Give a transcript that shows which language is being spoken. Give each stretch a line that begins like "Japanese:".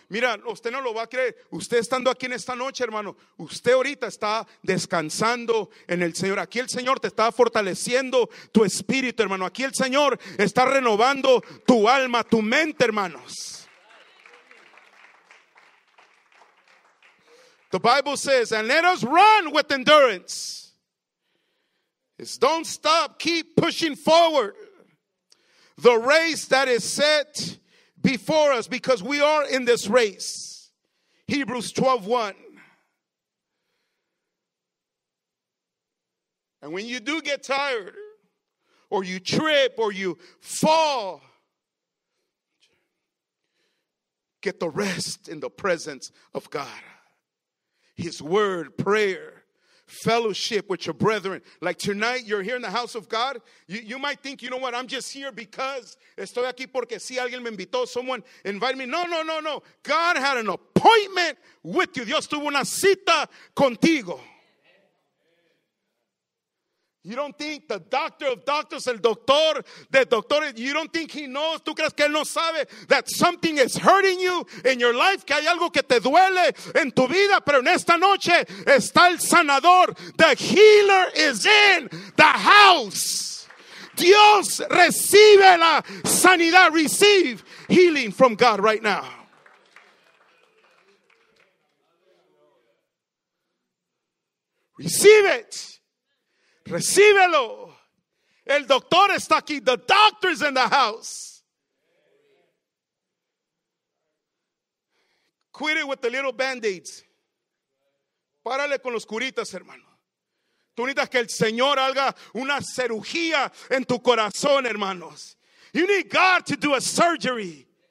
Spanish: Mira, usted no lo va a creer. Usted estando aquí en esta noche, hermano, usted ahorita está descansando en el Señor. Aquí el Señor te está fortaleciendo tu espíritu, hermano. Aquí el Señor está renovando tu alma, tu mente, hermanos.
English: The Bible says, and let us run with endurance. It's don't stop, keep pushing forward. The race that is set before us, because we are in this race. Hebrews 12:1. And when you do get tired, or you trip, or you fall, get the rest in the presence of God. His word, prayer, fellowship with your brethren. Like tonight, you're here in the house of God. You might think, you know what, I'm just here because
Spanish: estoy aquí porque si alguien me invitó,
English: someone invited me. No. God had an appointment with you.
Spanish: Dios tuvo una cita contigo.
English: You don't think the doctor of doctors,
Spanish: el doctor de doctores,
English: you don't think he knows,
Spanish: tú crees que él no sabe
English: that something is hurting you in your life,
Spanish: que hay algo que te duele en tu vida, pero en esta noche está el sanador.
English: The healer is in the house.
Spanish: Dios recibe la sanidad.
English: Receive healing from God right now. Receive it.
Spanish: Recíbelo. El doctor está aquí.
English: The doctor's in the house. Quit it with the little band-aids.
Spanish: Párale con los curitas, hermano. Tú necesitas que el Señor haga una cirugía en tu corazón, hermanos.
English: You need God to do a surgery.